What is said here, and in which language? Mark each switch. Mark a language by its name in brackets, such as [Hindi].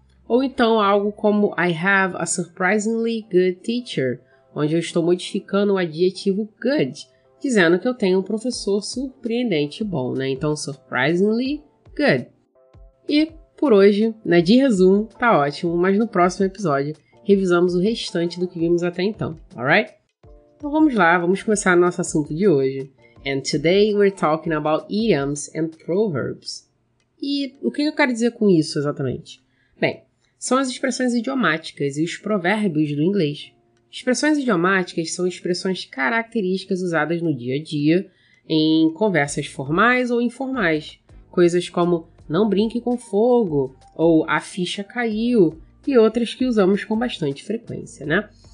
[Portuguese] Ou então algo como [English] I have a surprisingly good teacher, [Portuguese] onde eu estou modificando o adjetivo good, dizendo que eu tenho um professor surpreendente e bom, né? Então, [English] surprisingly good. [Portuguese] E, por hoje, né, de resumo, tá ótimo, mas no próximo episódio, revisamos o restante do que vimos até então, alright? Então, vamos lá, vamos começar nosso assunto de hoje. [English] And today, we're talking about idioms and proverbs. [Portuguese] E o que eu quero dizer com isso, exatamente? Bem, são as expressões idiomáticas e os provérbios do inglês. Expressões idiomáticas são expressões características usadas no dia a dia, em conversas formais ou informais. Coisas como não brinque com fogo, ou a ficha caiu, e outras que usamos com bastante frequência, né?